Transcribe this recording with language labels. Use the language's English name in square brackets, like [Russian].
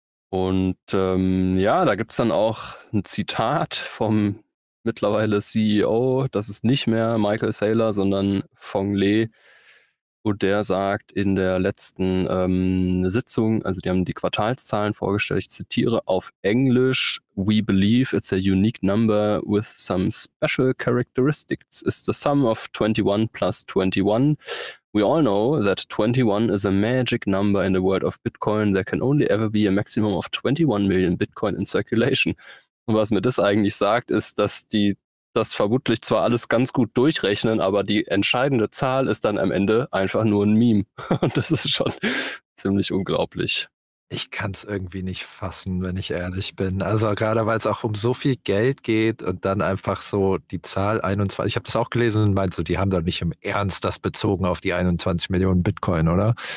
[German] Und ja, da gibt es dann auch ein Zitat vom mittlerweile CEO, das ist nicht mehr Michael Saylor, sondern Phong Le. Und der sagt in der letzten Sitzung, also die haben die Quartalszahlen vorgestellt, ich zitiere auf Englisch, [English] "We believe it's a unique number with some special characteristics. It's the sum of 21 plus 21. We all know that 21 is a magic number in the world of Bitcoin. There can only ever be a maximum of 21 million Bitcoin in circulation." [German] Und was mir das eigentlich sagt, ist, dass die das vermutlich zwar alles ganz gut durchrechnen, aber die entscheidende Zahl ist dann am Ende einfach nur ein Meme. Und das ist schon ziemlich unglaublich. Ich kann es irgendwie nicht fassen, wenn ich ehrlich bin. Also gerade, weil es auch um so viel Geld geht und dann einfach so die Zahl 21. Ich habe das auch gelesen und meinte so, die haben doch nicht im Ernst das bezogen auf die 21 Millionen Bitcoin, oder?